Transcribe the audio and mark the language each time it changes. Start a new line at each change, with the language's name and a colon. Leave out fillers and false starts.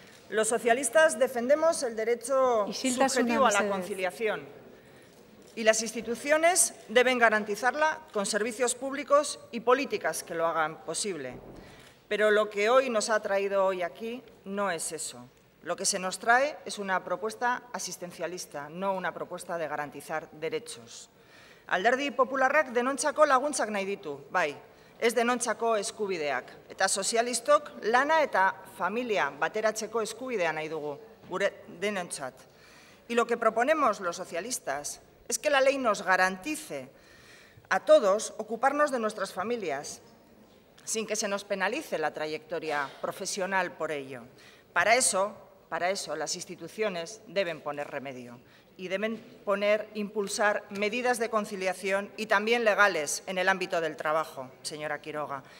Spanish: Los socialistas defendemos el derecho subjetivo a la conciliación y las instituciones deben garantizarla con servicios públicos y políticas que lo hagan posible. Pero lo que hoy nos ha traído hoy aquí no es eso. Lo que se nos trae es una propuesta asistencialista, no una propuesta de garantizar derechos.
Basque: Alderdi Popularrak denontzako laguntzak nahi ditu, bai. Ez denontzako eskubideak. Eta sozialistok lana eta familia bateratzeko eskubidea nahi dugu, gure denontzat.
Spanish: Y lo que proponemos los socialistas es que la ley nos garantice a todos ocuparnos de nuestras familias sin que se nos penalice la trayectoria profesional por ello. Para eso, las instituciones deben poner remedio y deben impulsar medidas de conciliación y también legales en el ámbito del trabajo, señora Quiroga.